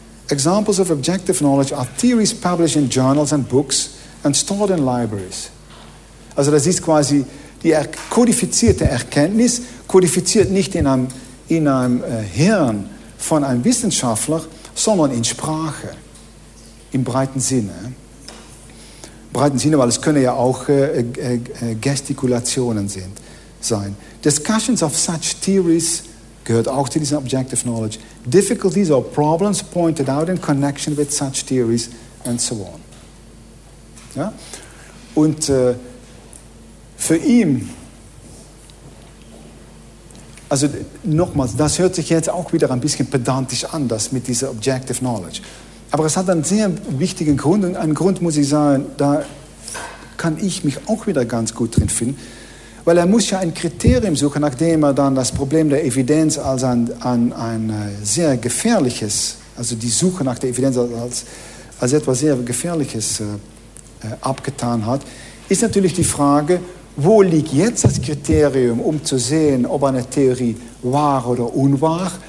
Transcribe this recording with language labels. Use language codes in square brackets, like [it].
[en] Examples of objective knowledge are theories published in journals and books and stored in libraries. [de] Also das ist quasi die kodifizierte Erkenntnis, kodifiziert nicht in einem Hirn von einem Wissenschaftler, sondern in Sprache, im breiten Sinne. Breiten Sinne, weil es können ja auch Gestikulationen sein. [en] Discussions of such theories [de] gehört auch zu diesem [en] objective knowledge. Difficulties or problems pointed out in connection with such theories and so on. Ja? [de] Und für ihn, also nochmals, das hört sich jetzt auch wieder ein bisschen pedantisch an, das mit dieser Objective Knowledge. Aber es hat einen sehr wichtigen Grund, und einen Grund muss ich sagen, da kann ich mich auch wieder ganz gut drin finden, weil er muss ja ein Kriterium suchen, nachdem er dann das Problem der Evidenz als ein sehr gefährliches, also die Suche nach der Evidenz als etwas sehr Gefährliches abgetan hat, ist natürlich die Frage, wo liegt jetzt das Kriterium, um zu sehen, ob eine Theorie wahr oder unwahr?